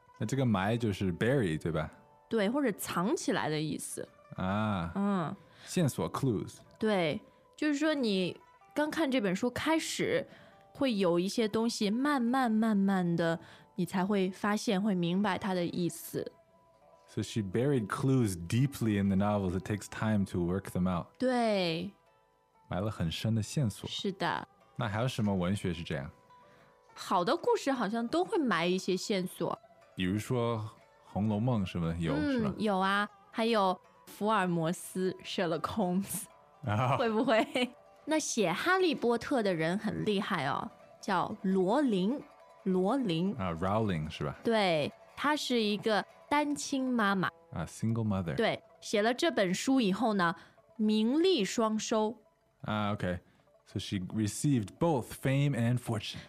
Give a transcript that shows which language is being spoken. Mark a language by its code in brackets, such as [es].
[zh] 那这个埋就是 bury, 对吧？对，或者藏起来的意思。啊。嗯。线索 clues。对，就是说你刚看这本书开始会有一些东西慢慢慢慢的你才会发现，会明白它的意思。 [en] So she buried clues deeply in the novels. It takes time to work them out. [zh] 对，埋了很深的线索。是的。那还有什么文学是这样？好的故事好像都会埋一些线索，比如说《红楼梦》是吗？有、是吗？有啊，还有福尔摩斯 Sherlock Holmes、会不会？那写哈利波特的人很厉害哦，叫罗琳，罗琳啊 Rowling 是吧？对，她是一个单亲妈妈啊 single mother。对，写了这本书以后呢名利双收啊。 [en] OK, so she received both fame and fortune.